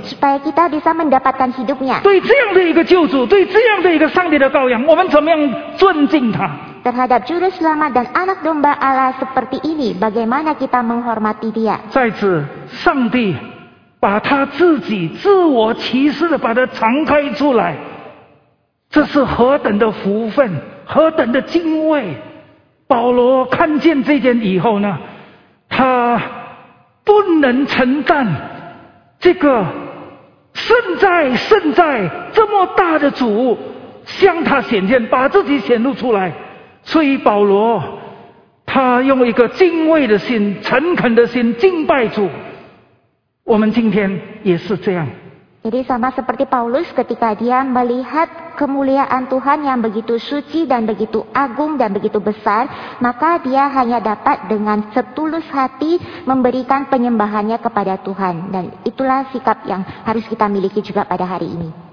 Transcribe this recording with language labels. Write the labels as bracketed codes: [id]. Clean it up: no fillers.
[id] supaya kita bisa mendapatkan hidupnya. [zh] 对这样的一个救主, 对这样的一个上帝的羔羊, 我们怎么样尊敬他? [id] Terhadap Juru Selamat dan Anak Domba Allah seperti ini, bagaimana kita menghormati Dia? [zh] 在此, 上帝把他自己, 自我启示地把他敞开出来, 这是何等的福分, 何等的敬畏。保罗看见这件以后呢, 他不能承担这个圣哉圣哉这么大的主向他显现把自己显露出来, 所以保罗, 他用一个敬畏的心, 诚恳的心, 敬拜主, 我们今天也是这样。 [id] Jadi sama seperti Paulus ketika dia melihat kemuliaan Tuhan yang begitu suci dan begitu agung dan begitu besar, maka dia hanya dapat dengan setulus hati memberikan penyembahannya kepada Tuhan. Dan itulah sikap yang harus kita miliki juga pada hari ini.